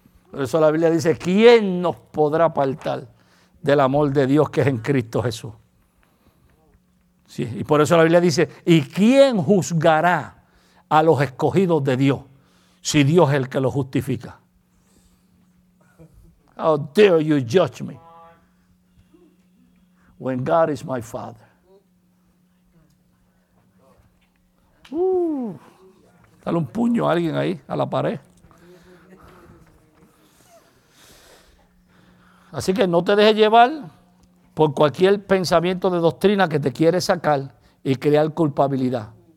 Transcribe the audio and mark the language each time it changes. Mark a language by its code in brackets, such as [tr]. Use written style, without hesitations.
[es] Por eso la Biblia dice, ¿quién nos podrá apartar del amor de Dios que es en Cristo Jesús? Sí, y por eso la Biblia dice, ¿y quién juzgará a los escogidos de Dios si Dios es el que los justifica? [en] How dare you judge me when God is my Father. [es] Dale un puño a alguien ahí, a la pared. Así que no te dejes llevar por cualquier pensamiento de doctrina que te quiere sacar y crear culpabilidad.